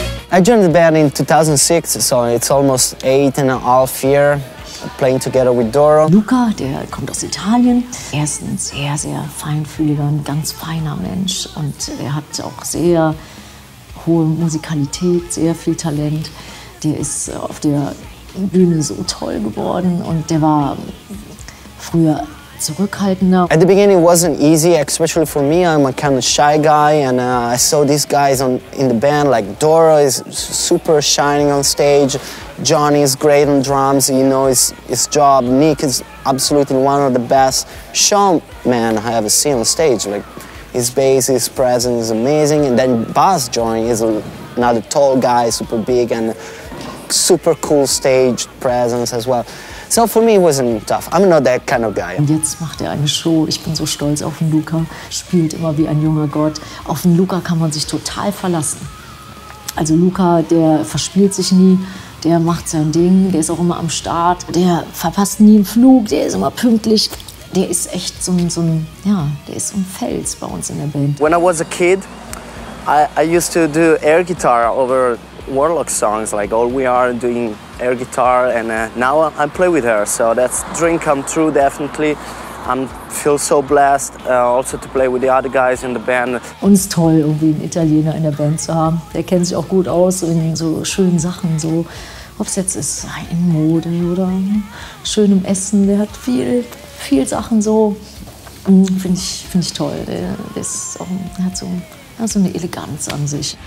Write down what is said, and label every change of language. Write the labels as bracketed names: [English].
[English] I joined the band in 2006, so it's almost 8.5 years playing together with Doro. [German] Luca, der kommt aus Italien. Er ist ein sehr, sehr feinfühliger, ein ganz feiner Mensch. Und er hat auch sehr hohe Musikalität, sehr viel Talent. Der ist auf der Bühne so toll geworden. Und der war früher zurückhaltender. [English] At the beginning it wasn't easy, especially for me. I'm a kind of shy guy, and I saw these guys on in the band, like Doro is super shining on stage, Johnny is great on drums, you know, his job. Nick is absolutely one of the best showmen I ever seen on stage. Like, his bass, his presence is amazing. And then Buzz joined, he's another tall guy, super big, and super cool stage presence as well. So for me, it wasn't tough. I'm not that kind of guy. [German] Und jetzt macht eine Show. Ich bin so stolz auf den Luca. Spielt immer wie ein junger Gott. Auf den Luca kann man sich total verlassen. Also Luca, der verspielt sich nie. Der macht sein Ding. Der ist auch immer am Start. Der verpasst nie einen Flug. Der ist immer pünktlich. Der ist echt der ist so ein Fels bei uns in der Band. [English] When I was a kid, I used to do air guitar over Warlock songs, like All We Are, doing air guitar, and now I play with her, so that's dream come true, definitely. I feel so blessed also to play with the other guys in the band. [German] Und es ist toll, irgendwie einen Italiener in der Band zu haben. Der kennt sich auch gut aus in so schönen Sachen, so, ob es jetzt ist, in Mode oder schönem Essen, der hat viel Sachen so. Finde ich toll, der ist auch, der hat so ein also eine Eleganz an sich.